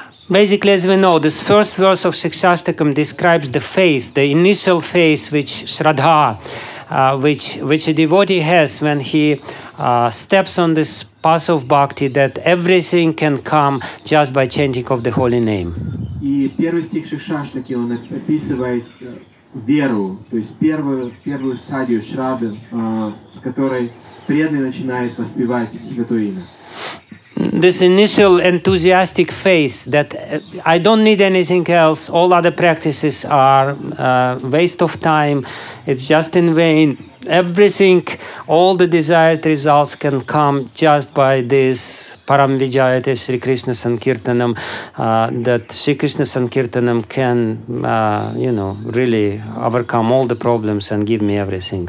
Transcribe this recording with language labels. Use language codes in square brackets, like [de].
[en] Basically, as we know, this first verse of Shikshastakam describes the phase, the initial phase which Shraddha, which a devotee has when he steps on this path of bhakti, that everything can come just by chanting of the holy name. [ru] И первый стих Шикшаштаки, он описывает веру, то есть первую стадию Шрадды, с которой преданный начинает воспевать святое имя. [en] This initial enthusiastic phase that I don't need anything else, all other practices are a waste of time, it's just in vain. Everything, all the desired results can come just by this [sa] Param Vijayate Sri Krishna Sankirtanam, [en] that Sri Krishna Sankirtanam can, you know, really overcome all the problems and give me everything.